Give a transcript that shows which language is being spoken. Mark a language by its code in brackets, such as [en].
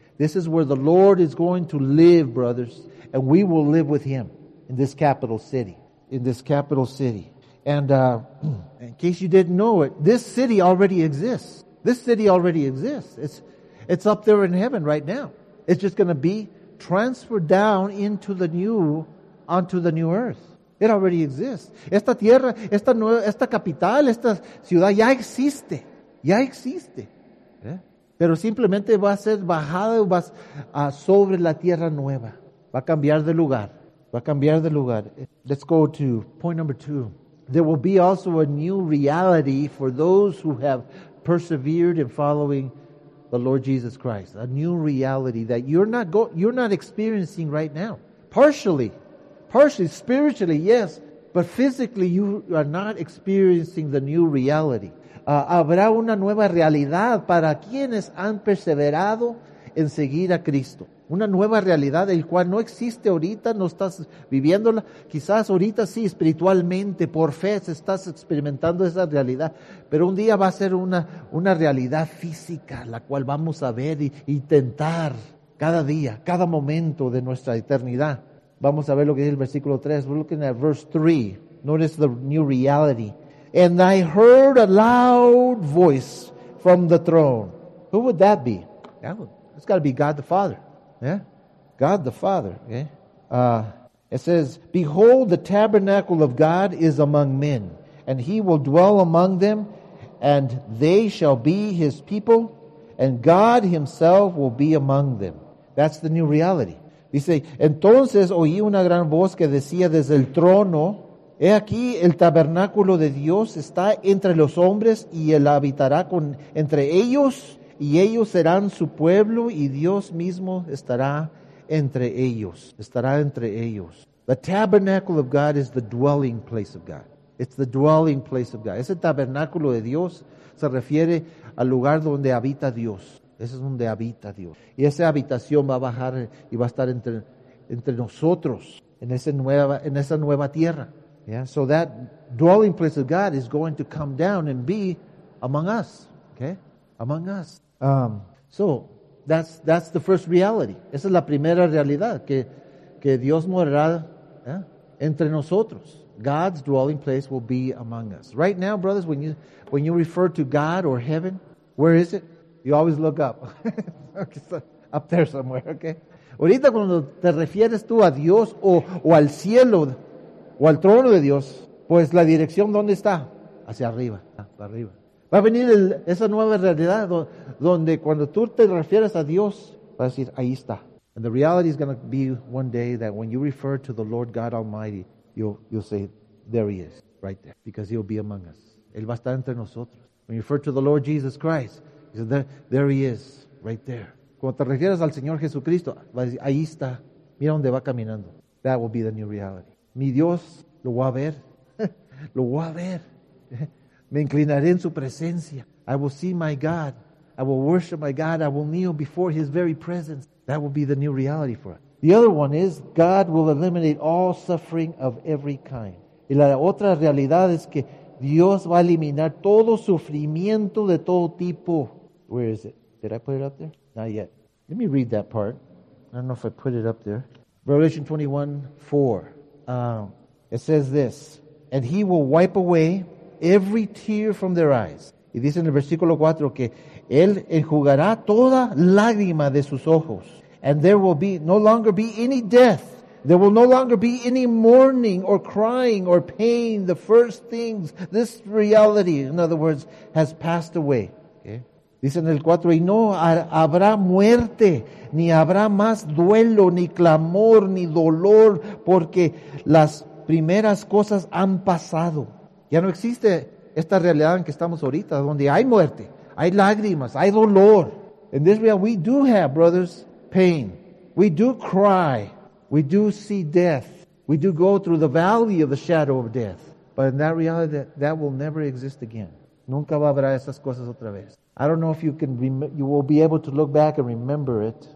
[en] This is where the Lord is going to live, brothers, and we will live with Him in this capital city, in this capital city. And in case you didn't know it, this city already exists. This city already exists. It's up there in heaven right now. It's just going to be transferred down onto the new earth. It already exists. [es] Esta tierra, esta capital, esta ciudad ya existe. Ya existe. ¿Eh? Pero simplemente va a ser bajada sobre la tierra nueva. Va a cambiar de lugar. Va a cambiar de lugar. [en] Let's go to point number two. There will be also a new reality for those who have persevered in following the Lord Jesus Christ. A new reality that you're not experiencing right now. Partially, spiritually, yes, but physically you are not experiencing the new reality. [es] Habrá una nueva realidad para quienes han perseverado en seguir a Cristo. una nueva realidad el cual no existe ahorita, no estás viviéndola. Quizás ahorita sí, espiritualmente, por fe, estás experimentando esa realidad. Pero un día va a ser una realidad física, la cual vamos a ver y tentar cada día, cada momento de nuestra eternidad. Vamos a ver lo que dice el versículo 3. [en] We're looking at verse 3. Notice the new reality. And I heard a loud voice from the throne. Who would that be? Yeah, it's got to be God the Father. Yeah, God the Father. Okay. It says, behold, the tabernacle of God is among men, and he will dwell among them, and they shall be his people, and God himself will be among them. That's the new reality. [es] Dice, entonces oí una gran voz que decía desde el trono, he aquí el tabernáculo de Dios está entre los hombres, y él habitará entre ellos. Y ellos serán su pueblo, y Dios mismo estará entre ellos. Estará entre ellos. [en] The tabernacle of God is the dwelling place of God. It's the dwelling place of God. [es] Ese tabernáculo de Dios se refiere al lugar donde habita Dios. Ese es donde habita Dios. Y esa habitación va a bajar y va a estar entre nosotros en esa nueva tierra. Yeah? [en] So that dwelling place of God is going to come down and be among us. Okay? Among us. So, that's the first reality. [es] Esa es la primera realidad, que Dios morará entre nosotros. [en] God's dwelling place will be among us. Right now, brothers, when you refer to God or heaven, where is it? You always look up. Up there somewhere, okay? [es] Ahorita cuando te refieres tú a Dios o al cielo o al trono de Dios, pues la dirección, ¿dónde está? Hacia arriba, hacia arriba. Va a venir esa nueva realidad donde cuando tú te refieres a Dios, va a decir, ahí está. [en] And the reality is going to be one day that when you refer to the Lord God Almighty, you'll say, there he is, right there. Because he'll be among us. [es] Él va a estar entre nosotros. [en] When you refer to the Lord Jesus Christ, he says, there he is, right there. [es] Cuando te refieres al Señor Jesucristo, va a decir, ahí está. Mira dónde va caminando. [en] That will be the new reality. [es] Mi Dios, lo voy a ver. Lo voy a ver. Me inclinaré en su presencia. [en] I will see my God. I will worship my God. I will kneel before his very presence. That will be the new reality for us. The other one is, God will eliminate all suffering of every kind. [es] Y la otra realidad es que Dios va a eliminar todo sufrimiento de todo tipo. [en] Where is it? Did I put it up there? Not yet. Let me read that part. I don't know if I put it up there. Revelation 21:4. It says this, and he will wipe away every tear from their eyes. [es] Y dice en el versículo 4 que él enjugará toda lágrima de sus ojos. [en] And there will be no longer be any death. There will no longer be any mourning or crying or pain. The first things, this reality, in other words, has passed away. Okay. [es] Dice en el 4, y no habrá muerte, ni habrá más duelo, ni clamor, ni dolor, porque las primeras cosas han pasado. Ya no existe esta realidad en que estamos ahorita, donde hay muerte, hay lágrimas, hay dolor. [en] In this reality, we do have, brothers, pain. We do cry. We do see death. We do go through the valley of the shadow of death. But in that reality, that will never exist again. [es] Nunca va a haber esas cosas otra vez. [en] I don't know if you will be able to look back and remember it.